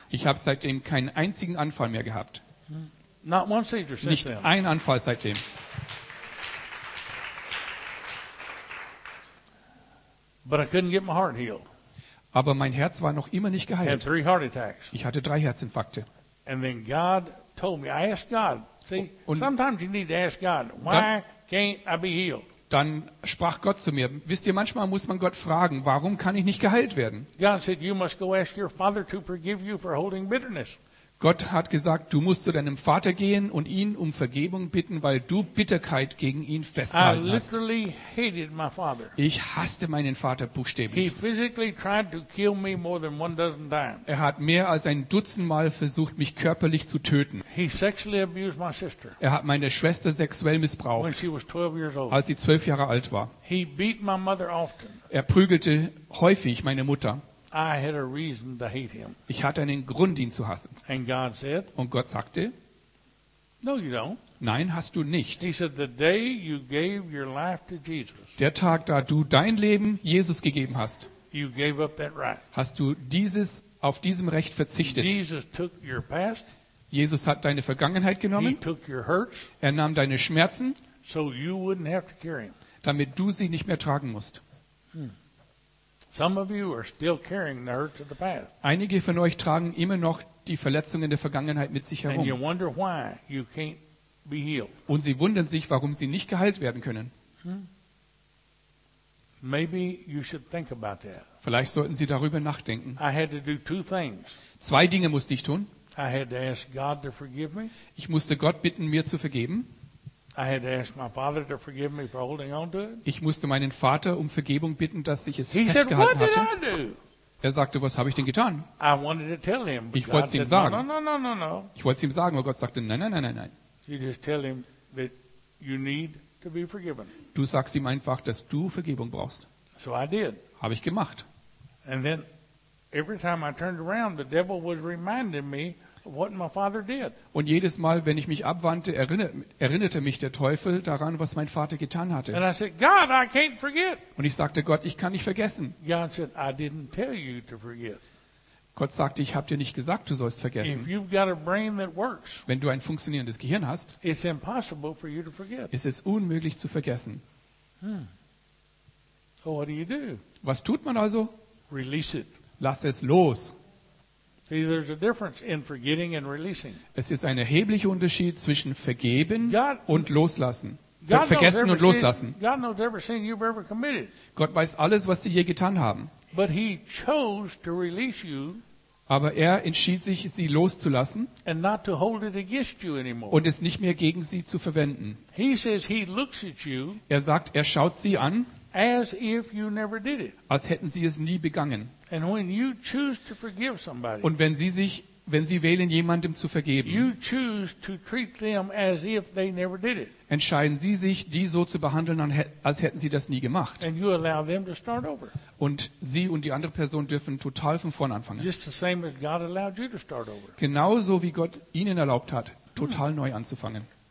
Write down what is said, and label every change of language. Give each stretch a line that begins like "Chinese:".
German: Ich habe seitdem keinen einzigen Anfall mehr gehabt.
English: Not one seizure since
German: Nicht
English: then.
German: Ein Anfall seitdem.
English: But I couldn't get my heart healed.
German: Aber mein Herz war noch immer nicht geheilt.
English: I had three heart attacks.
German: Ich hatte drei Herzinfarkte.
English: And then God told me, I asked God. See,
German: und
English: sometimes you need to ask God, why can't I be healed?
German: Dann sprach Gott zu mir, wisst ihr, manchmal muss man Gott fragen, warum kann ich nicht geheilt werden? Gott hat gesagt, du musst zu deinem Vater gehen und ihn um Vergebung bitten, weil du Bitterkeit gegen ihn festgehalten hast.
English: I literally hated my father.
German: Ich hasste meinen Vater buchstäblich.
English: He physically tried to kill me more than one dozen times.
German: Er hat mehr als ein Dutzend Mal versucht, mich körperlich zu töten.
English: He sexually abused my sister.
German: Er hat meine Schwester sexuell missbraucht,
English: when she was 12 years old.
German: Als sie 12 Jahre alt war.
English: He beat my mother often.
German: Er prügelte häufig meine Mutter.
English: I had a reason to hate him.
German: Ich hatte einen Grund, ihn zu hassen.
English: And God said,
German: und Gott sagte,
English: no, you don't.
German: Nein, hast du nicht.
English: He said, the day you gave your life to Jesus,
German: der Tag, da du dein Leben Jesus gegeben hast,
English: you gave up that right.
German: Hast du dieses auf diesem Recht verzichtet.
English: Jesus took your past.
German: Jesus hat deine Vergangenheit genommen.
English: He took your hurts.
German: Er nahm deine Schmerzen,
English: so you wouldn't have to carry them.
German: Damit du sie nicht mehr tragen musst.
English: Some of you are still carrying the hurts of the past.
German: Einige von euch tragen immer noch die Verletzungen der Vergangenheit mit sich herum.
English: And you wonder why you can't be healed.
German: Und sie wundern sich, warum sie nicht geheilt werden können.
English: Maybe you should think about that.
German: Vielleicht sollten Sie darüber nachdenken.
English: I had to do two things.
German: Zwei Dinge musste ich tun.
English: I had to ask God to forgive me.
German: Ich musste Gott bitten, mir zu vergeben.
English: I had to ask my father to forgive me for holding on to it.
German: Ich musste meinen Vater um Vergebung bitten, dass ich es festgehalten hatte.
English: He said, "What did I do?"
German: Er sagte, was habe ich denn getan?
English: I wanted to tell him, but
German: ich wollte es ihm sagen.
English: No.
German: Ich wollte es ihm sagen, aber Gott sagte, nein.
English: You just tell him that you need to be forgiven.
German: Du sagst ihm einfach, dass du Vergebung brauchst.
English: So I did.
German: Habe ich gemacht.
English: And then every time I turned around, the devil was reminding me of what my father did.
German: Und jedes Mal, wenn ich mich abwandte, erinnerte mich der Teufel daran, was mein Vater getan hatte.
English: And I said, God, I can't forget.
German: Und ich sagte, Gott, ich kann nicht vergessen.
English: God said, I didn't tell you to forget.
German: Gott sagte, ich habe dir nicht gesagt, du sollst vergessen.
English: If you've got a brain that works,
German: wenn du ein funktionierendes Gehirn hast,
English: it's impossible for you to forget.
German: Ist es unmöglich zu vergessen.
English: So what do you do?
German: Was tut man also?
English: Release it.
German: Lass es los.
English: See, there's a difference in forgetting and releasing.
German: Es ist ein erheblicher Unterschied zwischen vergeben und loslassen. Vergessen und loslassen.
English: God knows every sin you've ever committed.
German: Gott weiß alles, was sie je getan haben.
English: But he chose to release you.
German: Aber er entschied sich, sie loszulassen
English: and not to hold it against you anymore.
German: Und es nicht mehr gegen sie zu verwenden.
English: He says he looks at you.
German: Er sagt, er schaut sie an,
English: as if you never did it.
German: Als hätten sie es nie begangen.
English: And when you choose to forgive somebody,
German: und wenn sie wählen, jemandem zu vergeben,
English: you choose to treat them as if they never did it.
German: Entscheiden sie sich, die so zu behandeln, als hätten sie das nie gemacht.
English: And you allow them to start over.
German: Und sie und die andere Person dürfen total von vorn anfangen.
English: Just the same as God allowed you to start over.
German: Genauso wie Gott ihnen erlaubt hat, total neu anzufangen.